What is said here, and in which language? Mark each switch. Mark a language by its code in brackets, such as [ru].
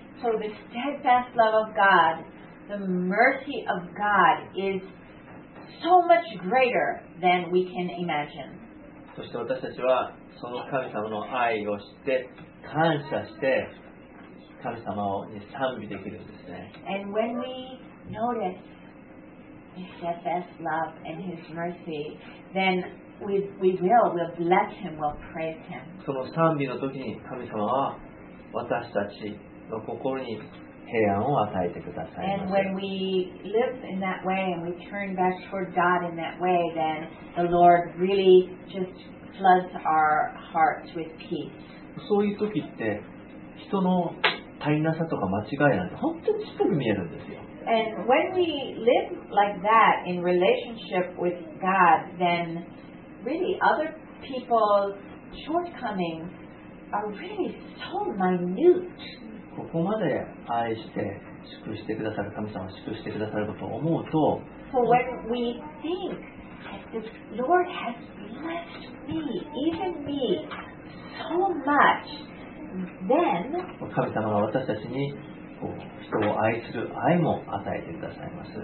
[en] So the steadfast love of God, the mercy of God is so much greater than we can imagine. [ja] そして私たちはその神様の愛を知って感謝して神様を、ね、賛美できるんですね。 [en] And when we notice His steadfast love and His mercy, then we'll bless Him, we'll praise Him. [ja] その賛美の時に神様は私たちの心に平安を与えてくださいます。 [en] And when we live in that way and we turn back toward God in that way, then the Lord really just floods our hearts with peace. [ja] そういう時って人の足りなさとか間違いなんて本当にちっぽく見えるんですよ。 [en] And when we live like that in relationship with God, then really other people's shortcomings are really so minute. [ja] ここまで愛して祝してくださる神様を祝してくださることを思うと、 [en] So when we think that the Lord has blessed me, even me, so much. Then, [ja] 神様が私たちにこう人を愛する愛も与えてくださいます。